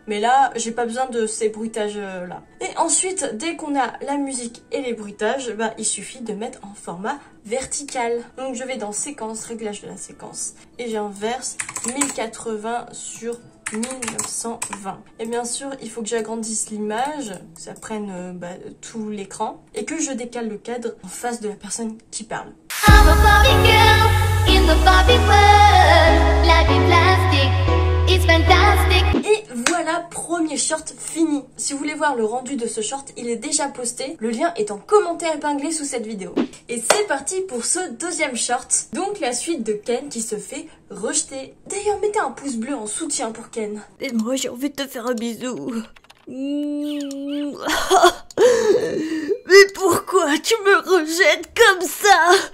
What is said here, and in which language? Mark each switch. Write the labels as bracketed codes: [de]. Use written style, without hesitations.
[fr] Mais là, j'ai pas besoin de ces bruitages-là. Et ensuite, dès qu'on a la musique et les bruitages, bah, il suffit de mettre en format vertical. Donc je vais dans séquence, réglage de la séquence, et j'inverse 1080 sur 1920. Et bien sûr, il faut que j'agrandisse l'image, que ça prenne tout l'écran, et que je décale le cadre en face de la personne qui parle. [en] I'm a Barbie girl in the Barbie world. Life in plastic, it's fantastic. [fr] Et voilà, premier short fini. Si vous voulez voir le rendu de ce short, il est déjà posté. Le lien est en commentaire épinglé sous cette vidéo. Et c'est parti pour ce deuxième short. Donc la suite de Ken qui se fait rejeter. D'ailleurs, mettez un pouce bleu en soutien pour Ken. Et moi, j'ai envie de te faire un bisou. Mais pourquoi tu me rejettes comme ça?